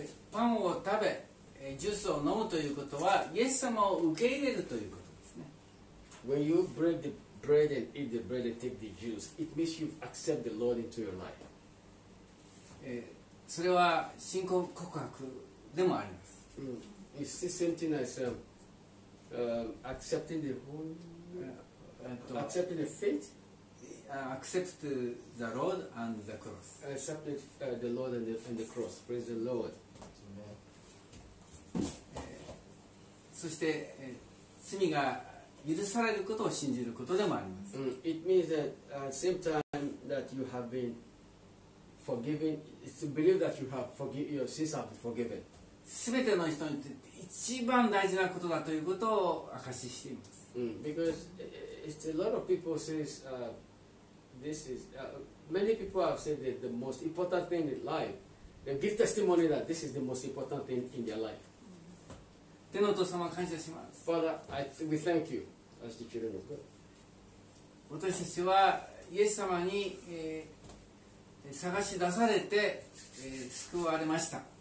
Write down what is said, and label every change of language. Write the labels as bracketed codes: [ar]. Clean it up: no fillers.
[ja] パンを食べ、ジュースを飲むということは、イエス様を受け入れるということですね。 [en] When you break the bread and eat the bread and take the juice, it means you accept the Lord into your life. [ja] それは信仰告白でもあります。 Mm. [en] It's the same thing as accepting the whole, accepting the faith. Accept the Lord and the cross. Accept the Lord and the cross. Praise the Lord. [ja] そして、罪が許されることを信じることでもあります。 Mm. [en] It means that at the same time that you have been forgiven, it's to believe that you have forgiven, your sins have been forgiven. [ja] 全ての人にとって一番大事なことだということを証ししています。 [en] Because it's a lot of people says, this is, many people have said that the most important thing in life, they give testimony that this is the most important thing in their life. [ja] 天のお父様、感謝します。 [en] Father, we thank you as the children of God. [ja] 私たちはイエス様に、探し出されて、救われました。